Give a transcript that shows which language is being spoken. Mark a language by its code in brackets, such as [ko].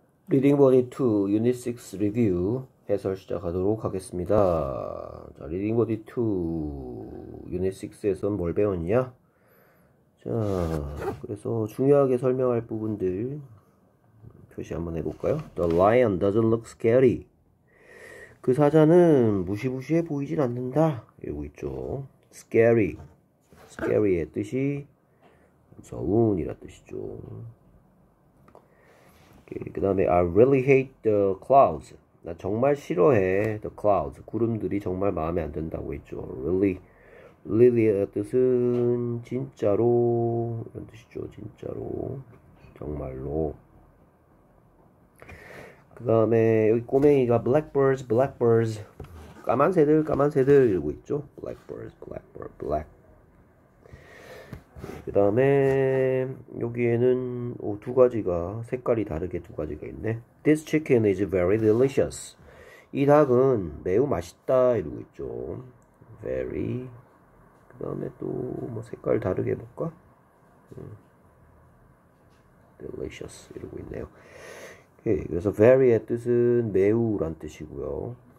[ko] 리딩버디 2 유닛 6 리뷰 해설 시작하도록 하겠습니다. 자, 리딩버디 2 유닛 6에서 뭘 배웠냐? 자, 그래서 중요하게 설명할 부분들 표시 한번 해볼까요? [en] The lion doesn't look scary. [ko] 그 사자는 무시무시해 보이질 않는다. 이러고 있죠. Scary. Scary의 뜻이 무서운이라 뜻이죠. 그 다음에 [en] I really hate the clouds. [ko] 나 정말 싫어해 [en] the clouds. [ko] 구름들이 정말 마음에 안 든다고 했죠. Really의 뜻은 진짜로 이런 뜻이죠. 진짜로 정말로. 그 다음에 여기 꼬맹이가 blackbirds, blackbirds. 까만 새들, 까만 새들 이러고 있죠. [en] Blackbirds, blackbird, black. [ko] 그 다음에 여기에는 두 가지가 색깔이 다르게 두 가지가 있네. [en] This chicken is very delicious. [ko] 이 닭은 매우 맛있다 이러고 있죠. [en] Very. [ko] 그 다음에 또뭐 색깔 다르게 볼까? Delicious 이러고 있네요. 오케이. 그래서 very의 뜻은 매우란 뜻이고요.